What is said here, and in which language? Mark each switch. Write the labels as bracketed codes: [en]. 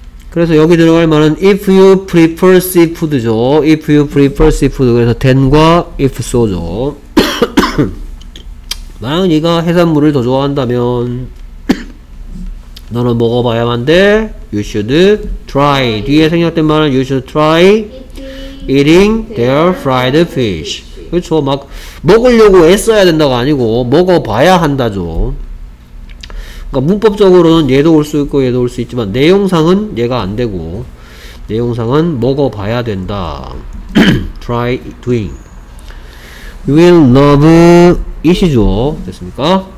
[ko] 그래서 여기 들어갈 말은 [en] if you prefer seafood [ko] 죠. [en] if you prefer seafood. [ko] 그래서 [en] then과 if so죠. [ko] 만약 네가 해산물을 더 좋아한다면 너는 먹어봐야만 돼. [en] you should try. [ko] 뒤에 생략된 말은 [en] you should try eating their fried fish. [ko] 그렇죠. 막 먹으려고 애써야 된다가 아니고 먹어봐야 한다죠. 그러니까 문법적으로는 얘도 올 수 있고 얘도 올 수 있지만 내용상은 얘가 안 되고 내용상은 먹어봐야 된다. [en] try doing. You will love it이죠. [ko] 됐습니까?